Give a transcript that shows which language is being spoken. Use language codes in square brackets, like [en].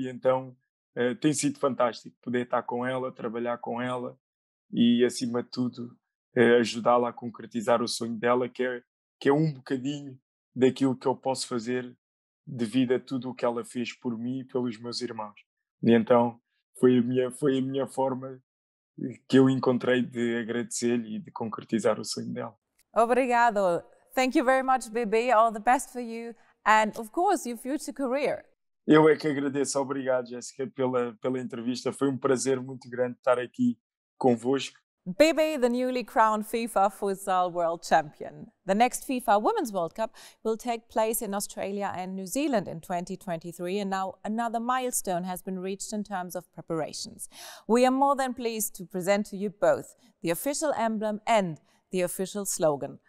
[pt] E então tem sido fantástico poder estar com ela, trabalhar com ela e, acima de tudo, ajudá-la a concretizar o sonho dela, que é um bocadinho daquilo que eu posso fazer devido a tudo o que ela fez por mim e pelos meus irmãos. E então foi a minha forma que eu encontrei de agradecer-lhe e de concretizar o sonho dela. Obrigado. [en] Thank you very much, Bebe. All the best for you and, of course, your future career. [pt] Eu é que agradeço. Obrigado, Jéssica, pela entrevista. Foi um prazer muito grande estar aqui convosco. [en] Bebe, the newly crowned FIFA Futsal World Champion. The next FIFA Women's World Cup will take place in Australia and New Zealand in 2023, and now another milestone has been reached in terms of preparations. We are more than pleased to present to you both the official emblem and the official slogan.